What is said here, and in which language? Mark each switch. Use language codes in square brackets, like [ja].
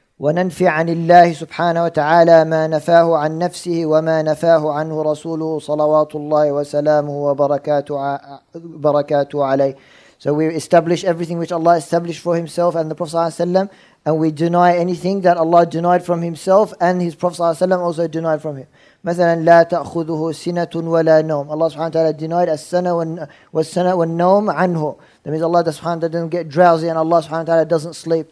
[ar] وَنَنْفِي عَنِ اللَّهِ سُبْحَانَهُ وَتَعَالَى مَا نَفَاهُ عَنْ نَفْسِهِ وَمَا نَفَاهُ عَنْهُ رَسُولُهُ صَلَوَاتُ اللَّهِ وَسَلَامُهُ وَبَرَكَاتُهُ عَلَيْهِ. [en] So we establish everything which Allah established for Himself and the Prophet ﷺ. And we deny anything that Allah denied from Himself and His Prophet ﷺ also denied from Him. [ar] مثلا لا تأخذه سنة ولا نوم. [en] Allah subhanahu wa ta'ala denied [ar] السنة والنوم عنه. [en] That means Allah subhanahu wa ta'ala doesn't get drowsy and Allah subhanahu wa ta'ala doesn't sleep.